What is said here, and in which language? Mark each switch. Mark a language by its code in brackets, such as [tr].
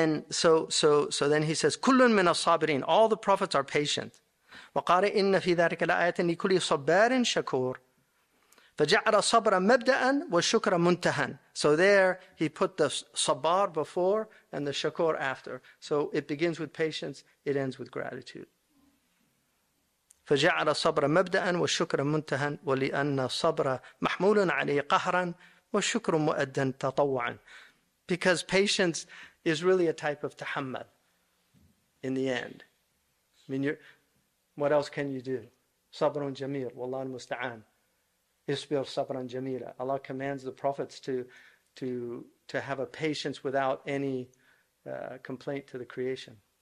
[en] And then he says, [ar] كل من الصابرين. [en] All the prophets are patient. [ar] وقال إن في ذلك لآية لكل صبار شكور فجعل صبر مبدأ وشكر منتهى. [en] So there he put the sabar before and the shakur after. So it begins with patience, it ends with gratitude. [ar] فجعل صبر مبدأ وشكر منتهى ولأن صبر محمول عليه قهرا وشكر مؤدا تطوعا. [en] Because patience is really a type of tahammal in the end. I mean, you're, what else can you do? Sabrun jameel, wallahu musta'an. Isbir sabran jameela. Allah commands the prophets to have a patience without any complaint to the creation.